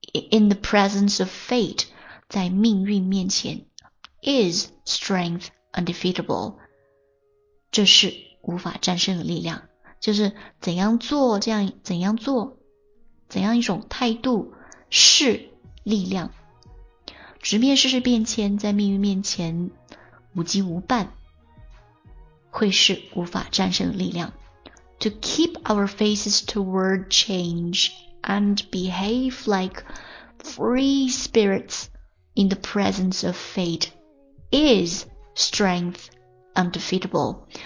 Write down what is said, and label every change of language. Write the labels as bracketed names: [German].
[English] In the presence of fate, [Chinese] 在命运面前 [English] is strength undefeatable. [Chinese] 这是无法战胜的力量。就是怎样做，这样怎样做，怎样一种态度是力量。直面世事变迁，在命运面前无羁无伴。会是无法战胜的力量。 [English] To keep our faces toward change and behave like free spirits in the presence of fate is strength undefeatable.